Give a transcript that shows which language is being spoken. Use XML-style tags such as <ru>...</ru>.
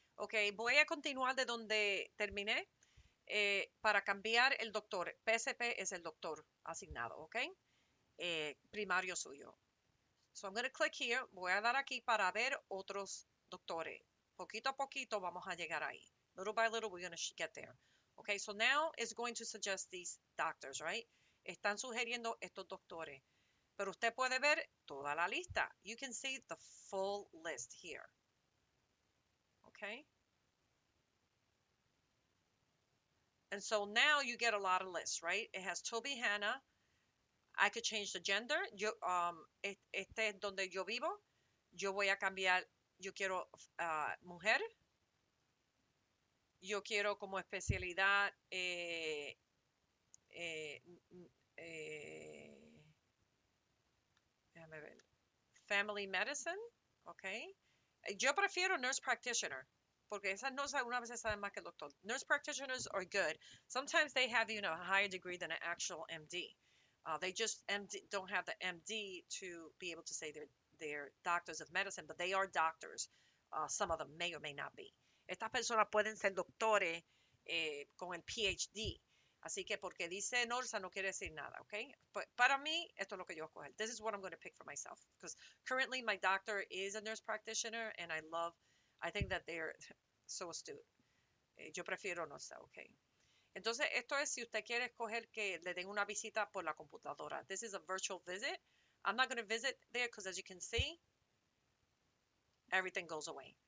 <es>Okay, voy a continuar de donde terminé para cambiar el doctor. PSP es el doctor asignado, okay, primario suyo.</es> <en>So I'm going to click here.</en> <es>Voy a dar aquí para ver otros doctores. Poquito a poquito vamos a llegar ahí.</es> <en>Little by little, we're going to get there. Okay, so now it's going to suggest these doctors, right?</en> <es>Están sugiriendo estos doctores. Pero usted puede ver toda la lista.</es> <en>You can see the full list here. Okay. And so now you get a lot of lists, right? It has Toby Hannah. I could change the gender.</en> <es>Este es donde yo vivo. Yo voy a cambiar. Yo quiero mujer. Yo quiero como especialidad. Déjame ver. Family medicine. Ok. Yo prefiero nurse practitioner. Porque esas no saben, una vez saben más que el doctor.</es> <en>Nurse practitioners are good. Sometimes they have, a higher degree than an actual MD. They just MD, don't have the MD to be able to say they're doctors of medicine, but they are doctors. Some of them may or may not be.</en> <es>Estas personas pueden ser doctores con el PhD. Así que porque dice Norsa no quiere decir nada, okay? But para mí, esto es lo que yo escoger.</es> <en>This is what I'm going to pick for myself. Because currently my doctor is a nurse practitioner and I think that they're so astute.</en> <es>Yo prefiero Norsa, okay? Entonces, esto es si usted quiere escoger que le den una visita por la computadora.</es> <en>This is a virtual visit. I'm not going to visit there because as you can see, everything goes away.</en>